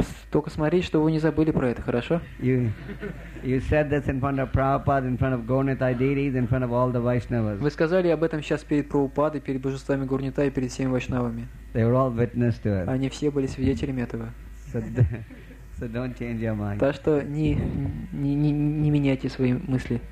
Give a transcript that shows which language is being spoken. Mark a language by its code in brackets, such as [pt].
[ru] Только смотри, чтобы вы не забыли про это, хорошо? [en] You said this in front of Prabhupada, in front of Gornitai deities, in front of all the Vaishnavas. [ru] Вы сказали об этом сейчас перед Прабхупадой, перед божествами Гурнитай, перед всеми Вайшнавами. [en] They were all witness to it. [ru] Они все были свидетелями этого. [en] So don't change your mind. [ru] Так что не меняйте свои мысли.